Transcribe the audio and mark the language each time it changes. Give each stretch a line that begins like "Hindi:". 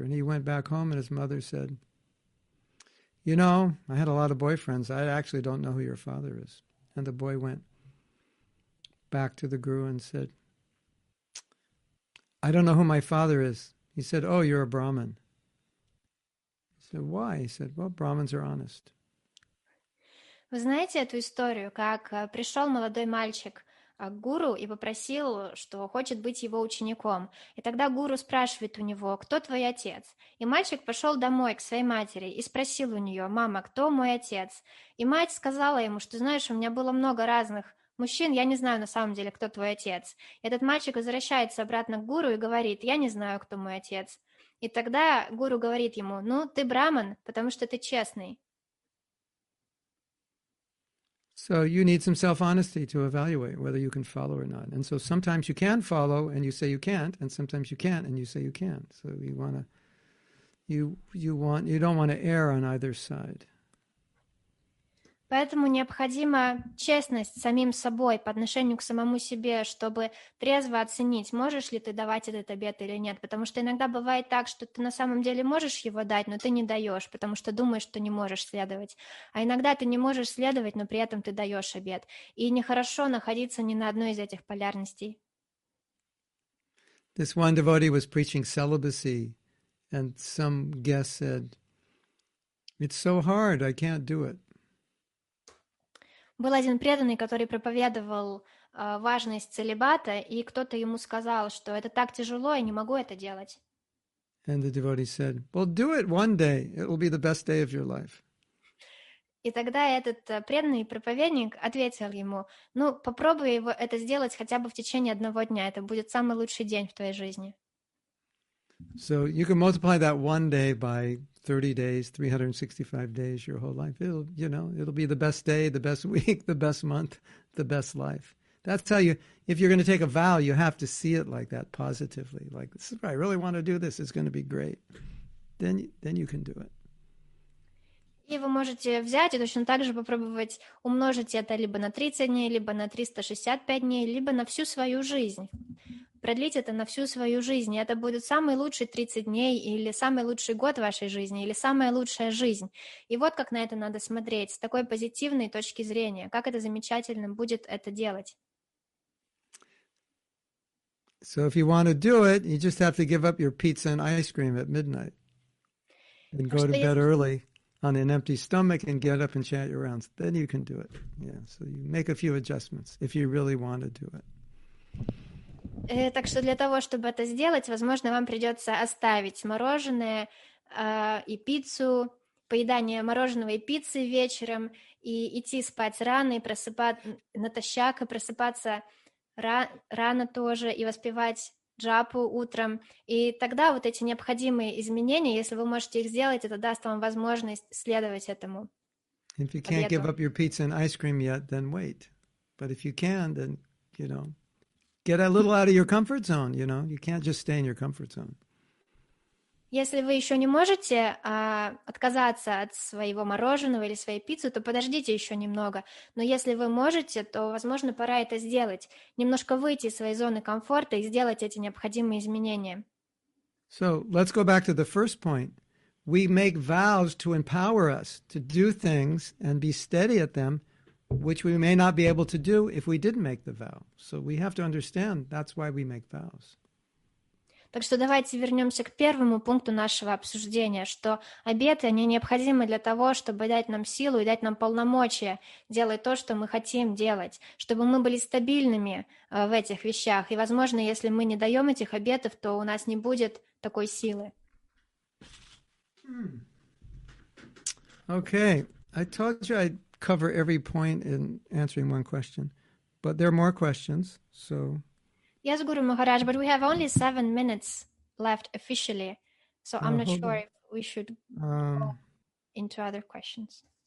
English: And he went back home, and his mother said, you know, I had a lot of boyfriends. I actually don't know who your father is. And the boy went back to the guru and said, I don't know who my father is. He said, oh, you're a Brahmin. He said, why? He said, well, Brahmins are honest.
Russian: Вы знаете эту историю, как пришел молодой мальчик к гуру и попросил, что хочет быть его учеником. И тогда гуру спрашивает у него, кто твой отец? И мальчик пошел домой к своей матери и спросил у нее, мама, кто мой отец? И мать сказала ему, что знаешь, у меня было много разных мужчин, я не знаю на самом деле, кто твой отец. И этот мальчик возвращается обратно к гуру и говорит, я не знаю, кто мой отец. И тогда гуру говорит ему, ну, ты браман, потому что ты честный.
English: So you need some self-honesty to evaluate whether you can follow or not. And so sometimes you can follow and you say you can't, and sometimes you can't and you say you can't. So you don't want to err on either side.
Russian: Поэтому необходима честность самим собой по отношению к самому себе, чтобы трезво оценить, можешь ли ты давать этот обет или нет. Потому что иногда бывает так, что ты на самом деле можешь его дать, но ты не даешь, потому что думаешь, что не можешь следовать. А иногда ты не можешь следовать, но при этом ты даешь обет. И нехорошо находиться ни на одной из этих полярностей.
English: This one devotee was preaching celibacy, and some guest said, it's so hard, I can't do it.
Russian: Был один преданный, который проповедовал важность целибата, и кто-то ему сказал, что это так тяжело, я не могу это делать.
English: And the devotee said, well, do it one day, it will be the best day of your life.
Russian: И тогда этот преданный проповедник ответил ему, ну, попробуй его это сделать хотя бы в течение одного дня, это будет самый лучший день в твоей жизни.
English: So you can multiply that one day by 30 days, 365 days, your whole life. It'll be the best day, the best week, the best month, the best life. That's how you, if you're going to take a vow, you have to see it like that positively. Like, this is what I really want to do this. It's going to be great. Then you can do it.
Russian: И вы можете взять и точно так же попробовать умножить это либо на 30 дней, либо на 365 дней, либо на всю свою жизнь. Продлить это на всю свою жизнь. И это будет самый лучший 30 дней или самый лучший год вашей жизни, или самая лучшая жизнь. И вот как на это надо смотреть, с такой позитивной точки зрения. Как это замечательно будет это делать.
English: So if you want to do it, you just have to give up your pizza and ice cream at midnight. And go to bed early on an empty stomach and get up and chant your rounds. Then you can do it. Yeah, so you make a few adjustments if you really want to do it.
Russian: Так что для того, чтобы это сделать, возможно, вам придется оставить мороженое и пиццу, поедание мороженого и пиццы вечером, и идти спать рано, и просыпаться натощак, и просыпаться рано тоже, и воспевать джапу утром. И тогда вот эти необходимые изменения, если вы можете их сделать, это даст вам возможность следовать этому.
English: If you can't give up your pizza and ice cream yet, then wait. But if you can, then, you know, get a little out of your comfort zone, you know. You can't just stay in your comfort zone.
Russian: Если вы еще не можете отказаться от своего мороженого или своей пиццы, то подождите еще немного. Но если вы можете, то, возможно, пора это сделать. Немножко выйти из своей зоны комфорта и сделать эти необходимые изменения.
English: So, let's go back to the first point. We make vows to empower us to do things and be steady at them, which we may not be able to do if we didn't make the vow. So we have to understand that's why we make vows.
Russian: Так что давайте вернемся к первому пункту нашего обсуждения, что обеты, они необходимы для того, чтобы дать нам силу и дать нам полномочия делать то, что мы хотим делать, чтобы мы были стабильными в этих вещах. И, возможно, если мы не даем этих обетов, то у нас не будет такой силы.
English: Okay, I told you I'd cover every point in answering one question, but there are more questions, so... Yes, Guru Maharaj, but we have only 7 minutes left officially, so I'm not sure if we should go into other questions.